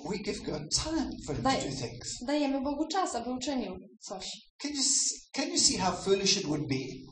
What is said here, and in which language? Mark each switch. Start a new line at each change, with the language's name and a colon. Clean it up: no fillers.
English: we give God time for him to do things.
Polish: Dajemy Bogu czas, aby uczynił coś.
English: Can you see how foolish it would be?